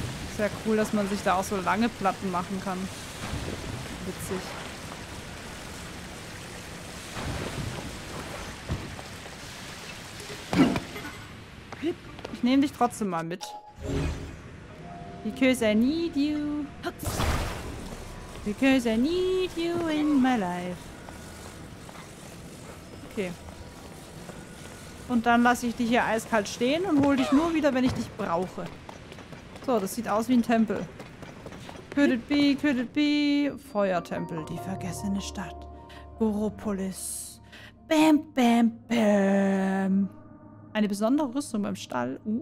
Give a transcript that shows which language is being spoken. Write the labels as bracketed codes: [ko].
[de] Ist ja cool, dass man sich da auch so lange Platten machen kann. Witzig. Ich nehme dich trotzdem mal mit. [en] Because I need you. Because I need you in my life. Okay. [de] Und dann lasse ich dich hier eiskalt stehen und hole dich nur wieder, wenn ich dich brauche. So, das sieht aus wie ein Tempel. [en] Could it be, could it be? [de] Feuertempel, die vergessene Stadt. Goropolis. Bam, bam, bam. Eine besondere Rüstung beim Stall.